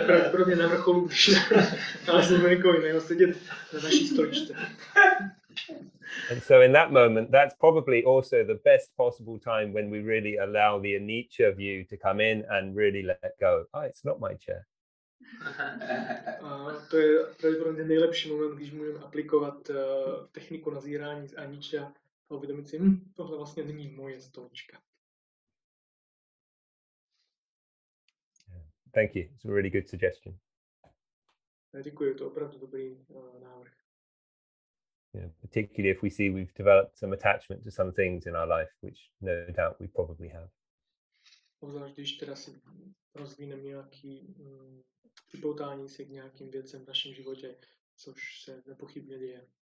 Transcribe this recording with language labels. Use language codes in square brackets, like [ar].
[en] Probably [cs] na vrcholu, když nalezneme někoho jiného sedět na naší stoličce. [en] And so in that moment, that's probably also the best possible time when we really allow the Aniccha view to come in and really let go. Oh, it's not my chair. [cs] To je pravděpodobně nejlepší moment, když můžeme aplikovat techniku nazírání z Aniccha a uvědomit si, tohle vlastně není moje stolička. [en] Thank you. It's a really good suggestion. [cs] Děkuji, to je opravdu dobrý návrh. [en] You know, particularly if we see we've developed some attachment to some things in our life, which no doubt we probably have. [cs] Obzvlášť když teda si rozvíneme nějaký připoutání se k nějakým věcem v našem životě, což se nepochybně děje.